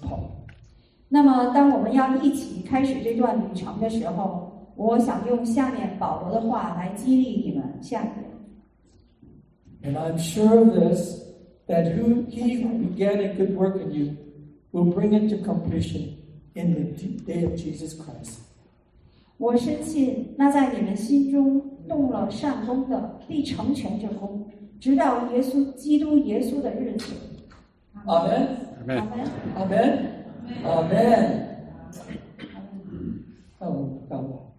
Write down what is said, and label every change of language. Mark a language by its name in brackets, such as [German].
[English] Paul. [Chinese] 那么，当我们要一起开始这段旅程的时候，我想用下面保罗的话来激励你们。下面。 [English] And I'm sure of this, that he who began a good work in you will bring it to completion in the day of Jesus Christ. [Chinese] 我深信，那在你们心中动了善功的，必成全这功。直到耶稣基督耶稣的日子。阿门。阿门。阿门。阿门。阿门。阿门。